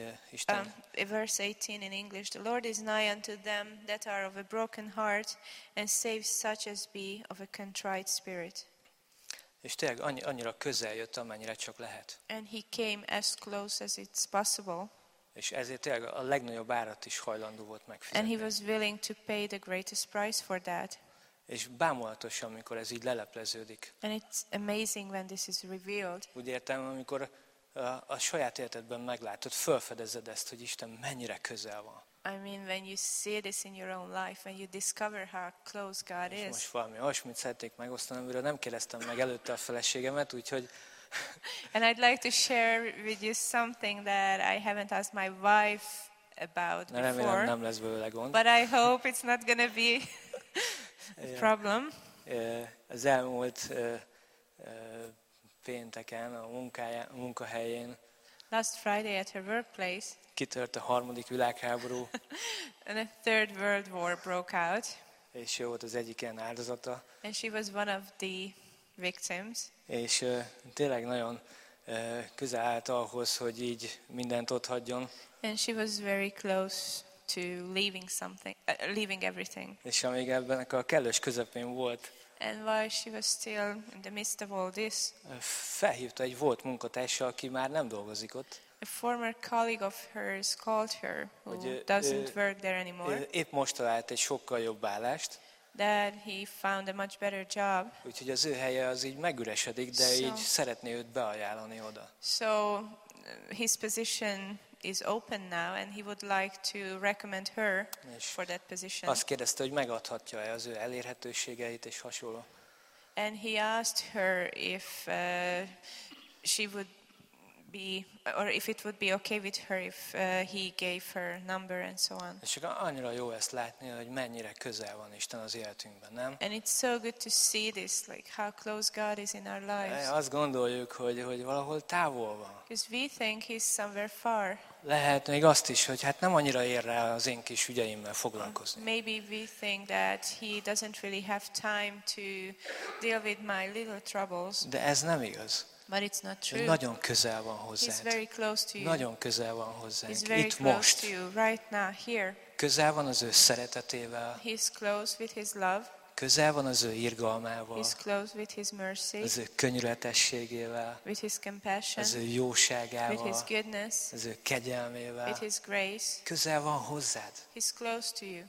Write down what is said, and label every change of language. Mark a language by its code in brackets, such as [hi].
[hu] Isten. [en] Verse 18 in English. The Lord is nigh unto them that are of a broken heart, and saves such as be of a contrite spirit. [hu] És tényleg annyira közel jött, amennyire csak lehet. [en] And he came as close as it's possible. [hu] És ezért tényleg a legnagyobb árat is hajlandó volt megfizetni. [en] And he was willing to pay the greatest price for that. [hu] És bámulatos, amikor ez így lelepleződik. [en] And it's amazing when this is revealed. [hu] Úgy értem, amikor a saját életedben meglátod, felfedezed ezt, hogy Isten mennyire közel van. [en] I mean, when you see this in your own life, when you discover how close God is. [hu] És most valami olyasmit szeretnék megosztani, amiről nem kérdeztem meg előtte a feleségemet, úgyhogy... [en] And I'd like to share with you something that I haven't asked my wife about before. [hu] Remélem, nem lesz belőle gond. [en] But I hope it's not gonna be... problem. [hu] Az elmúlt pénteken a munkahelyén. [en] Last Friday at her workplace. [hu] Kitört a harmadik világháború. [en] And a third world war broke out. [hu] És ő volt az egyik ilyen áldozata. [en] And she was one of the victims. [hu] És tényleg nagyon közel állt ahhoz, hogy így mindent ott hagyjon. [en] And she was very close to leaving something, leaving everything. [hu] És amíg ebben a kellős közepén volt. [en] And while she was still in the midst of all this. [hu] Felhívta egy volt munkatársa, aki már nem dolgozik ott. [en] A former colleague of hers called her, who doesn't work there anymore. [hu] Épp most talált egy sokkal jobb állást. [en] That he found a much better job. [hu] Úgyhogy az ő helye az így megüresedik, de [en] so, [hu] így szeretné őt beajánlani oda. [en] So his position is open now, and he would like to recommend her for that position. [hu] Azt kérdezte, hogy megadhatja-e az ő elérhetőségeit és hasonló. [en] And he asked her if she would be, or if it would be okay with her if he gave her number and so on. [hu] És annyira jó ezt látni, hogy mennyire közel van Isten az életünkben, nem? [en] And it's so good to see this, like how close God is in our lives. [hu] Azt gondoljuk, hogy valahol távol van. [en] Because we think he's somewhere far. [hu] Lehet még azt is, hogy hát nem annyira ér rá az én kis ügyeimmel foglalkozni. [en] Maybe we think that he doesn't really have time to deal with my little troubles. [hu] De ez nem igaz. [en] But it's not true. [hu] Nagyon közel van hozzá. [en] He's very close to you. [hu] Nagyon közel van hozzá. [en] He's very close to you right now here. [hu] Közel van az ő szeretetével. [en] He's close with his love. [hu] Közel van az ő irgalmával. [en] He's close with his mercy. [hu] Az ő könyörületességével. [en] With his compassion. [hu] Az ő jóságával. [en] With his goodness. [hu] Az ő kegyelmével. [en] With his grace. [hu] Közel van hozzád. [en] He's close to you.